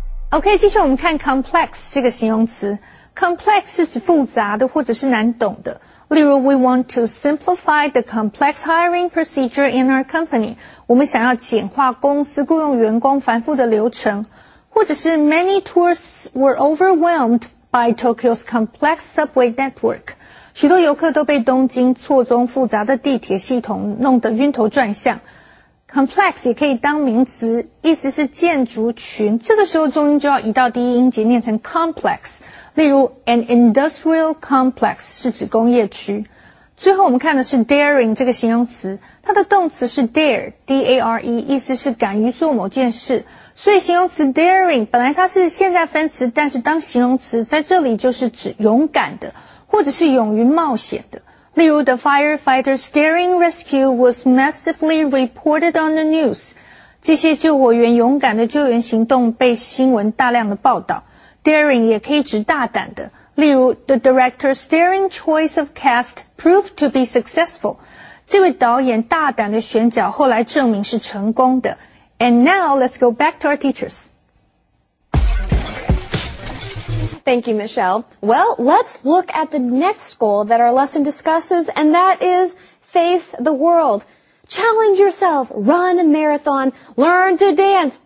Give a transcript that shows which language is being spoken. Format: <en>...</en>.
<zh>OK, 接下来我们看 complex 这个形容词。complex 是指复杂的或者是难懂的。</zh> <en>例如 ,we want to simplify the complex hiring procedure in our company.</en> <zh>我们想要简化公司雇佣员工繁复的流程。或者是</zh> <en>many tourists were overwhelmed by Tokyo's complex subway network.</en> <zh>许多游客都被东京错综复杂的地铁系统弄得晕头转向。 complex 也可以当名词，意思是建筑群。这个时候重音就要移到第一音节，念成 complex。例如 ，an industrial complex 是指工业区。最后我们看的是 daring 这个形容词，它的动词是 dare，D-A-R-E， 意思是敢于做某件事。所以形容词 daring 本来它是现在分词，但是当形容词在这里就是指勇敢的，或者是勇于冒险的。</zh> <en>例如 the firefighters daring rescue was massively reported on the news.</en> <zh>这些救火员勇敢的救援行动被新闻大量的报道。</zh> <en>Daring</en> <zh>也可以指大胆的。例如</zh> <en>the director's daring choice of cast proved to be successful.</en> <zh>这位导演大胆的选角后来证明是成功的。</zh> <en>And now let's go back to our teachers. Thank you, Michelle. Well, let's look at the next goal that our lesson discusses, and that is face the world. Challenge yourself. Run a marathon. Learn to dance.</en>